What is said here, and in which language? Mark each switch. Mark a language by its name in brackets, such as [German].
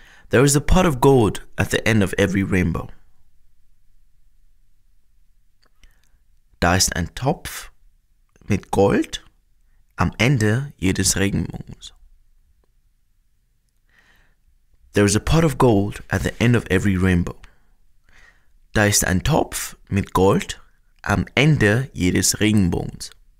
[English] There is a pot of gold at the end of every rainbow. [German] Da ist ein Topf mit Gold am Ende jedes Regenbogens. [English] There is a pot of gold at the end of every rainbow. [German] Da ist ein Topf mit Gold am Ende jedes Regenbogens.